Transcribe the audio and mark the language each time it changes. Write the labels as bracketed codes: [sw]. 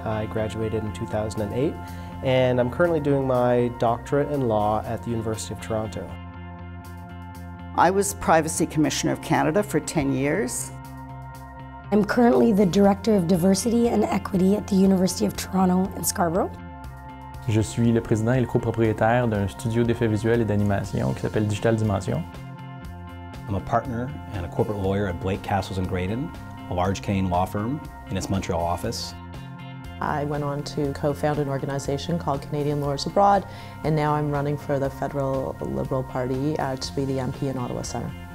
[en] I graduated in 2008, and I'm currently doing my doctorate in law at the University of Toronto. I was Privacy Commissioner of Canada for 10 years. I'm currently the Director of Diversity and Equity at the University of Toronto in Scarborough. [fr] Je suis le président et le copropriétaire d'un studio d'effets visuels et d'animation qui s'appelle Digital Dimension. [en] I'm a partner and a corporate lawyer at Blake, Cassels and Graydon, a large Canadian law firm in its Montreal office. I went on to co-found an organization called Canadian Lawyers Abroad, and now I'm running for the federal Liberal Party to be the MP in Ottawa-Centre.